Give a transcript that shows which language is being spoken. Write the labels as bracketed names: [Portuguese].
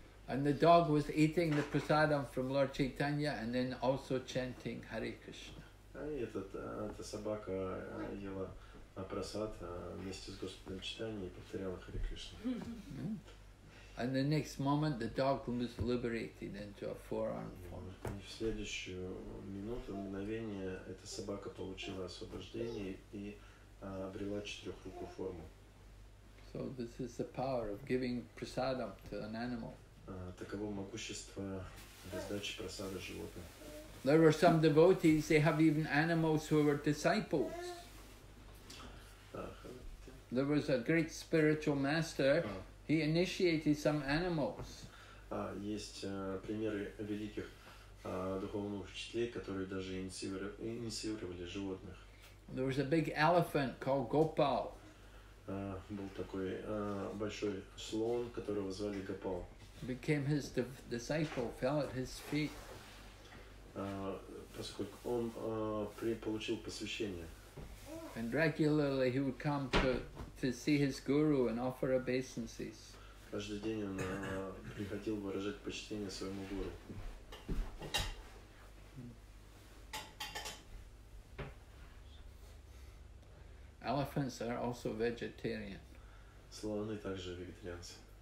[English] And the dog was eating the prasadam from Lord Chaitanya and then also chanting Hare Krishna. [Russian] И эта собака ела прасад вместе с Господом Читания и повторяла Харе Кришна. [English] And the next moment the dog was liberated into a four-armed form. [Russian] И в следующую минуту, мгновение, эта собака получила освобождение и обрела четырехрукую форму. [English] So this is the power of giving prasadam to an animal. [Russian] Таково могущество раздачи прасада животным. [English] There were some devotees, they have even animals who were disciples. There was a great spiritual master, he initiated some animals. [Russian] Есть примеры великих духовных учителей, которые даже инициировали животных. [English] There was a big elephant called Gopal. [Russian] Был такой большой слон, которого звали Гопал. [English] Became his disciple, fell at his feet. [Russian] Поскольку он получил посвящение. [English] And regularly he would come to see his guru and offer obeisances. [Russian] Каждый день он приходил выражать почтение своему гуру. [English] Elephants are also vegetarian. [Russian] Слоны также вегетарианцы.